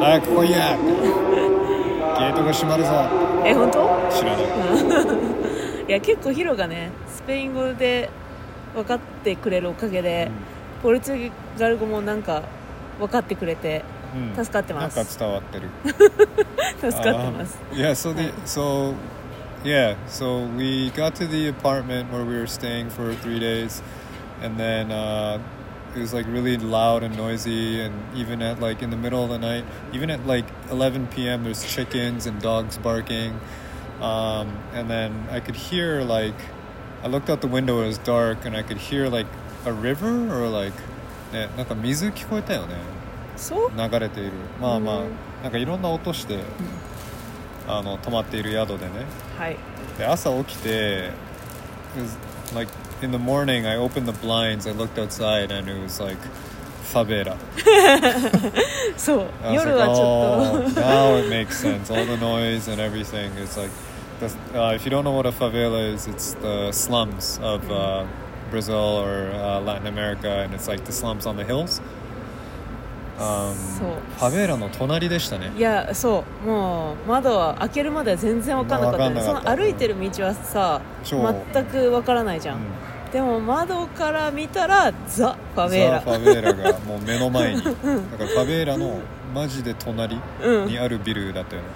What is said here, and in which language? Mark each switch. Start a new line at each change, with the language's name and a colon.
Japanese: 早く来いや。ゲートが閉まるぞ。え、本当？知らない。いや、結構ヒロがね、スペイン語で分かってくれるおかげで、ポルトガル語もなんか分かってくれて助かってます。なんか伝わってる。助かってます。
English: Yeah, so the so yeah, so we got to the apartment where we were staying for 3 days, and then. It was like really loud and noisy, and even at like in the middle of the night, even at like 11 p.m. there's chickens and dogs barking, and then I could hear like, I looked out the window, it was dark, and I could hear like a river or like,
Japanese: ね、なんか水聞こえたよね。
English: そう？流れている。まあまあ、なんかいろんな音して、あの泊まっている宿でね。はい。
Japanese: で朝起きて、
English: is like. In the morning, I opened the blinds, I looked outside, and it was like, favela. So, I was like, oh, now it makes sense. All the noise and everything. It's like, if you don't know what a favela is, it's the slums of Brazil or Latin America, and it's like the slums on the hills.
Japanese: Favela の隣でしたね。いや、そう。もう、窓を開けるまでは全然わかんなかった。その歩いてる道はさ、全くわからないじゃん。でも窓から見たらザ・ファベーラ、ザ・ファベーラがもう目の前にだからファベーラのマジで隣にあるビルだったよね、